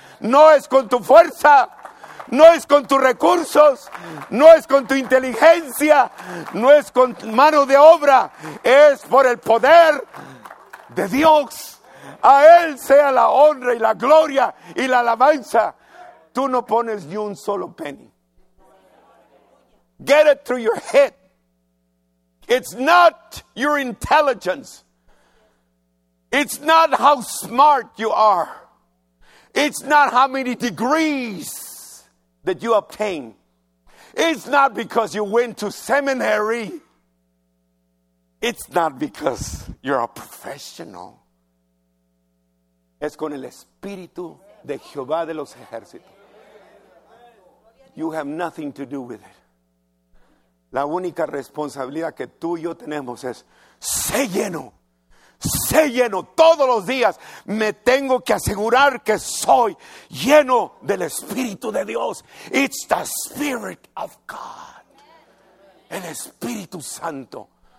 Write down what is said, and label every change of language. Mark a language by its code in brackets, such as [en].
[es] No es con tu fuerza, no es con tus recursos, no es con tu inteligencia, no es con mano de obra, es por el poder de Dios. A Él sea la honra y la gloria y la alabanza. Tú no pones ni un solo penny. [en] Get it through your head. It's not your intelligence. It's not how smart you are. It's not how many degrees that you obtain. It's not because you went to seminary. It's not because you're a professional. [es] Es con el espíritu de Jehová de los ejércitos. [en] You have nothing to do with it. [es] La única responsabilidad que tú y yo tenemos es: sé lleno. Sé lleno todos los días. Me tengo que asegurar que soy lleno del Espíritu de Dios. [en] It's the Spirit of God. [es] El Espíritu Santo.